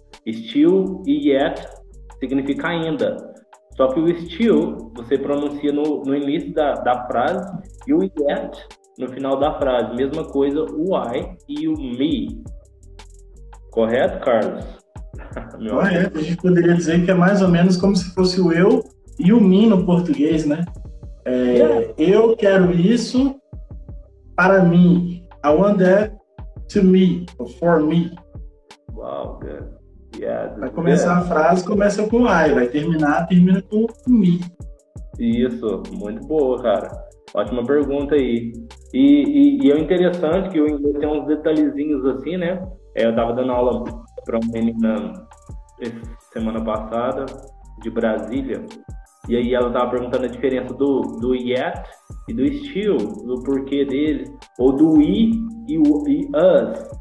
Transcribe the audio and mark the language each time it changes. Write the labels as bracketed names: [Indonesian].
[Portuguese] Still e yet significa ainda. Só que o still, você pronuncia no início da frase e o yet no final da frase. Mesma coisa, o I e o me. Correto, Carlos? Correto. A gente poderia dizer que é mais ou menos como se fosse o eu e o me no português, né? Eu quero isso para mim. [English] I want that to me, or for me. [Portuguese] Uau, cara. Vai começar a frase, começa com I, vai termina com me. Isso, muito boa, cara. Ótima pergunta aí. E é interessante que o inglês tem uns detalhezinhos assim, né? Eu tava dando aula pra uma menina semana passada, de Brasília, e aí ela tava perguntando a diferença do yet e do still, do porquê dele, ou do we e us.